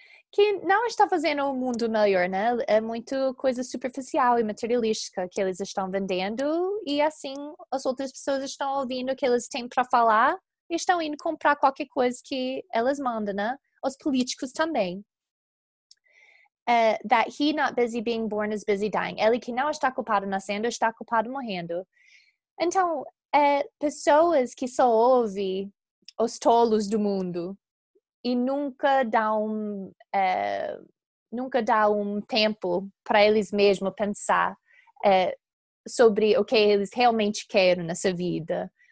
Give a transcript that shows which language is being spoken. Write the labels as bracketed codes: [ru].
[pt] que não está fazendo o mundo melhor, né? É muito coisa superficial e materialística que eles estão vendendo e assim as outras pessoas estão ouvindo o que eles têm para falar e estão indo comprar qualquer coisa que elas mandam, né? Os políticos também. [en] That he not busy being born is busy dying. [pt] Ele que não está culpado nascendo, está culpado morrendo. Então, pessoas que só ouvem os tolos do mundo e nunca dá um tempo para eles mesmos pensar sobre o que eles realmente querem nessa vida.